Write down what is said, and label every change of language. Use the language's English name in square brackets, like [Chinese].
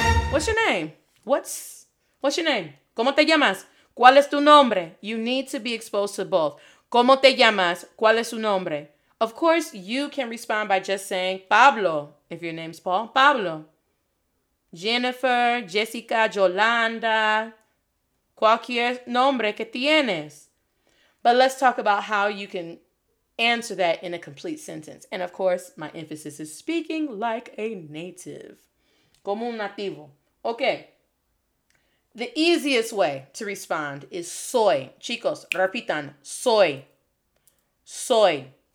[English] What's your name? What's your name? ¿Cómo te llamas? [Spanish] ¿Cuál es tu nombre? You need to be exposed to both. ¿Cómo te llamas? ¿Cuál es tu nombre? [English] Of course, you can respond by just saying Pablo, if your name's Paul. [Spanish] Pablo, Jennifer, Jessica, Yolanda, cualquier nombre que tienes. [English] But let's talk about how you can answer that in a complete sentence. And of course, my emphasis is speaking like a native. Como un nativo. Okay. The easiest way to respond is soy. [Spanish] Chicos, repitan, soy. Soy.